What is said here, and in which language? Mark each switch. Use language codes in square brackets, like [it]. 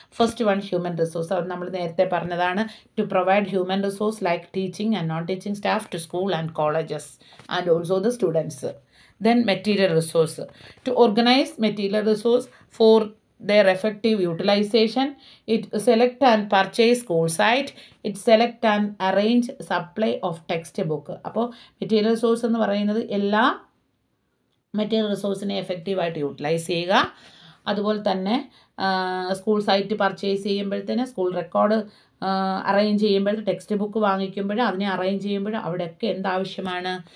[en] First one human resource. [ml] അത് നമ്മൾ നേരത്തെ പറഞ്ഞതാണ് [en] To provide human resource like teaching and non teaching staff to school and colleges and also the students. Then material resource to organise material resource for their effective utilization. It select and purchase school site. It select and arrange supply of textbook. [ml] അപ്പോൾ material resource എന്ന് പറയുന്നത് എല്ലാ material റിസോഴ്സിനെ എഫക്റ്റീവായിട്ട് utilise ചെയ്യുക. അതുപോലെ തന്നെ school site purchase ചെയ്യുമ്പോഴത്തേന് school record arrange ചെയ്യുമ്പോഴും text book വാങ്ങിക്കുമ്പോഴും അതിനെ അറേഞ്ച് ചെയ്യുമ്പോഴും അവിടെയൊക്കെ എന്താവശ്യമാണ്?